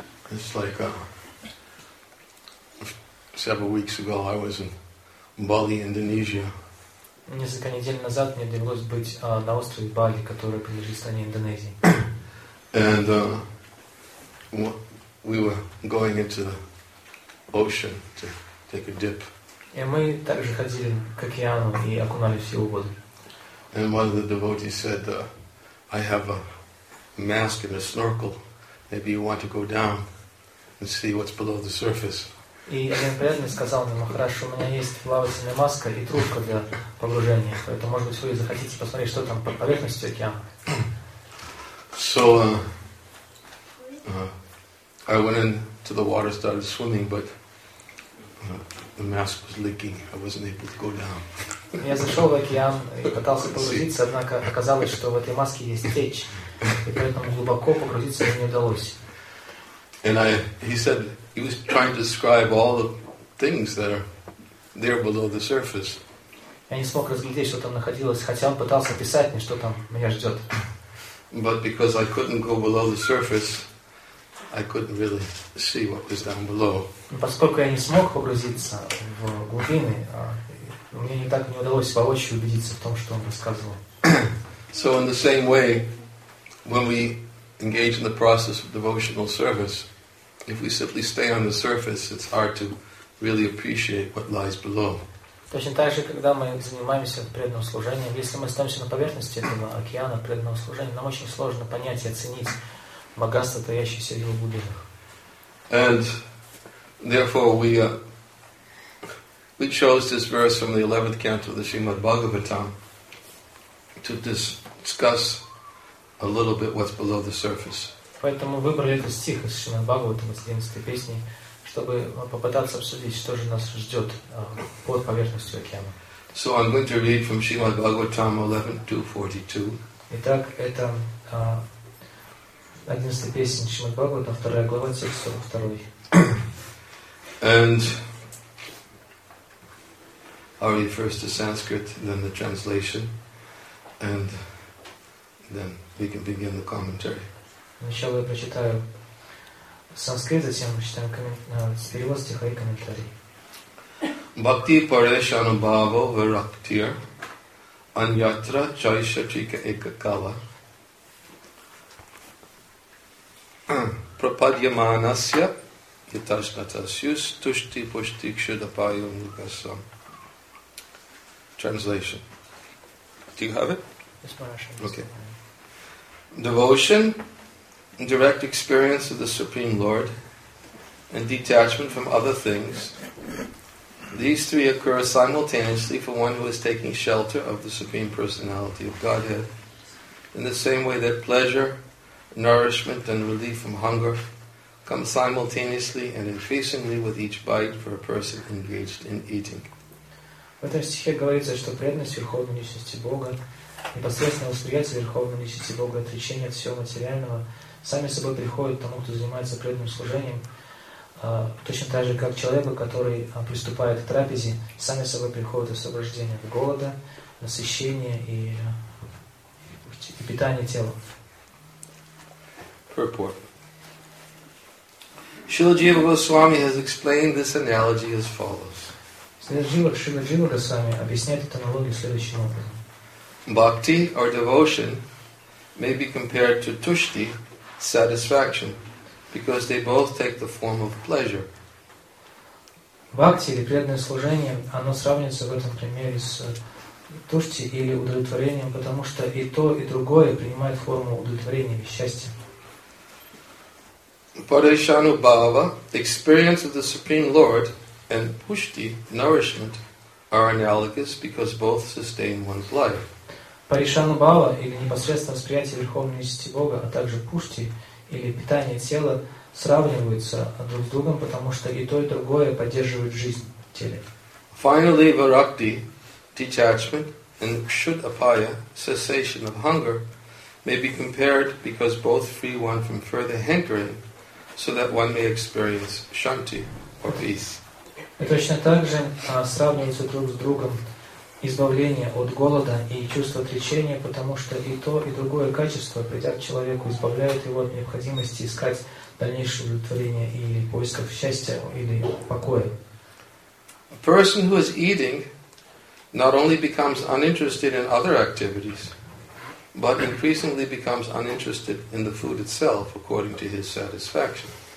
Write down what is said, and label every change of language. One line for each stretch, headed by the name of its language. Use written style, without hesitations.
English: It's like several weeks ago I was in Bali, Indonesia.
Russian: Несколько недель назад мне довелось быть на острове Бали, который принадлежит стране Индонезии.
English: And we were going into the ocean to take a dip.
Russian: И мы также ходили к океану и окунались в его воды.
English: And one of the devotees said, "I have a mask and a snorkel. Maybe you want to go down and see what's below the surface."
Russian: И один преданный сказал мне, "Махарадж, у меня есть плавательная маска и трубка для погружения. Поэтому, может быть, вы захотите посмотреть, что там под поверхностью океана?"
English: So, I went into the water, started swimming, but the mask was leaking. I wasn't able to go down.
Russian: Я зашел в океан и пытался погрузиться, однако оказалось, что в этой маске есть течь, и поэтому глубоко погрузиться мне не удалось.
English: And he said he was trying to describe all the things that are there below the surface.
Russian: Я не смог разглядеть, что там находилось, хотя он пытался писать мне, что там меня ждет.
English: But because I couldn't go below the surface, I couldn't really see what was down below.
Russian: Поскольку я не смог погрузиться в глубины, мне не так не удалось воочию убедиться в том, что он рассказывал.
English: So in the same way, when we engage in the process of devotional service, if we simply stay on the surface, it's hard to really appreciate what lies below.
Russian: Точно так же, когда мы занимаемся преданным служением, если мы остаемся на поверхности этого океана преданного служения, нам очень сложно понять и оценить богатство, таящееся в его глубинах.
English: And therefore we chose this verse from the 11th canto of the Srimad Bhagavatam to discuss a little bit what's below the surface.
Russian: Поэтому выбрали этот стих из Шримад Бхагаватам, из 11-й песни, чтобы попытаться обсудить, что же нас ждет под поверхностью океана.
English: So I'm going to read from Srimad Bhagavatam 11.2.42.
Russian: Итак, это 11-я песня Шримад Бхагаватам, 2 глава, текст 42.
English: And I'll read first the Sanskrit, then the translation. And then we can begin the commentary.
Russian: Сначала я прочитаю санскрит, затем мы читаем перевод стиха и комментарий.
Sanskrit: Bhakti Pareshana Bhava Viraktir Anyatra Chaishatika Ekakala Prapadyamanasya Yitashnatasyus Tushti Pushtikshudapayam Lukasam.
English: Translation. Do you have it? Yes, Parashana. Okay. Devotion, direct experience of the Supreme Lord, and detachment from other things. These three occur simultaneously for one who is taking shelter of the Supreme Personality of Godhead, in the same way that pleasure, nourishment, and relief from hunger come simultaneously and increasingly with each bite for a person engaged in eating.
Russian: В этом стихе говорится, что преданность Верховной Личности Бога, непосредственное восприятие Верховной Личности Бога, отречение от всего материального, сами собой приходит тому, кто занимается преданным служением, точно так же, как человеку, который приступает к трапезе, сами собой приходит освобождение от голода, насыщение и питание тела.
English: Purport. Srila Jiva Goswami has explained this analogy as follows.
Russian: Srila Jiva Goswami объясняет эту аналогию следующим образом.
English: Bhakti, or devotion, may be compared to tushti, satisfaction, because they both take the form of pleasure.
Russian: Бхакти или преданное служение, оно сравнивается в этом примере с тушти или удовлетворением, потому что и то, и другое принимает форму удовлетворения или счастья.
English: Pareshanu bhava, the experience of the Supreme Lord, and pushti, nourishment, are analogous because both sustain one's life.
Russian: Pareshanu bhava, или непосредственное восприятие Верховной Личности Бога, а также пушти, или питание тела, сравниваются друг с другом, потому что и то, и другое поддерживает жизнь в теле.
English: Finally, virakti, detachment, and kshudapaya, cessation of hunger, may be compared because both free one from further hankering, so that one may experience shanti, or peace.
Russian: И точно так же сравниваются друг с другом избавление от голода и чувство отречения, потому что и то, и другое качество, придя к человеку, избавляет его от необходимости искать дальнейшее удовлетворение или поисков счастья или покоя.
English: A person who is eating not only becomes uninterested in other activities, but increasingly becomes uninterested in the food itself, according to his satisfaction.